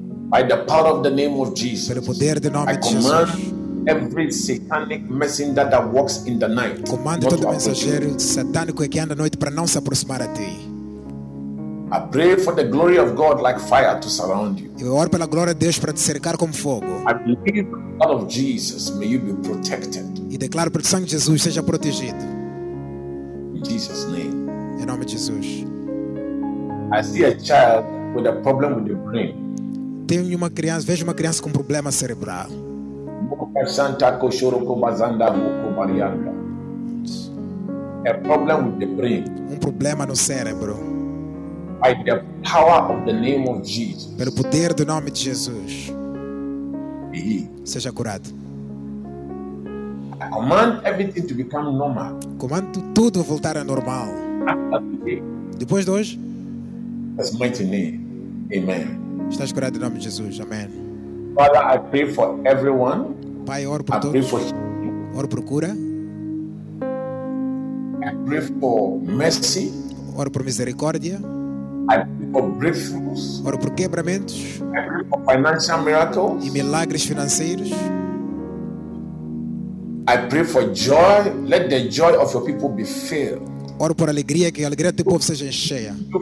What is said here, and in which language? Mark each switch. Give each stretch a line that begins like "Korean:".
English: By the power of the name of Jesus.
Portuguese: Pelo poder do nome
English: I
Portuguese: de Jesus.
English: Every satanic messenger that walks in the night.
Portuguese: Comando todo mensageiro satânico que anda à noite para não se aproximar a ti.
English: I pray for the glory of God like fire to surround you.
Portuguese: Eu oro pela glória de Deus para te cercar como fogo.
English: Blood of Jesus, may you be protected.
Portuguese: E declaro pelo sangue de Jesus, seja protegido.
English: In Jesus' name.
Portuguese: Em nome de Jesus.
English: I see a child with a problem with the brain.
Portuguese: Tenho uma criança, vejo uma criança com problema cerebral.
English: A problem with the brain.
Portuguese: Um problema no cérebro.
English: By the power of the name of Jesus.
Portuguese: Pelo poder do nome de Jesus.
English: Be
Portuguese: seja curado.
English: I command everything to become normal.
Portuguese: Comando tudo voltar a normal. Depois de hoje.
English: As mighty name. Amen.
Portuguese: Estás curado em nome de Jesus. Amém.
English: Father, I pray for everyone.
Portuguese: Pai, oro por todos.
English: I pray for you.
Portuguese: Oro por cura.
English: I pray for mercy.
Portuguese: Oro por misericórdia.
English: I pray for breakthroughs.
Portuguese: Oro por quebramentos.
English: I pray for financial miracles.
Portuguese: E milagres financeiros.
English: I pray for joy. Let the joy of your people be filled.
Portuguese: Oro por alegria, que a alegria do teu povo seja cheia.